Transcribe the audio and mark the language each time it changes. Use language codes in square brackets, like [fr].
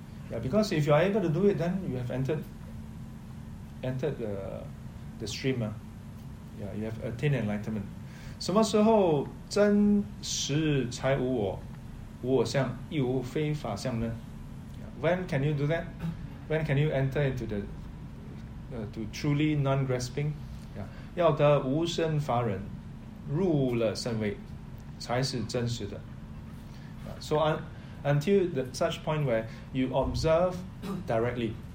[en] Yeah, because if you are able to do it, then you have entered the stream. Yeah, you have attained enlightenment. [zh] 什么时候真实才无我, 无我相亦无非法相呢? [en] Yeah, when can you do that? When can you enter into the to truly non-grasping? [zh] Yeah, 要得无生法忍, 入了圣位才是真实的. [en] Yeah, so until such point where you observe directly.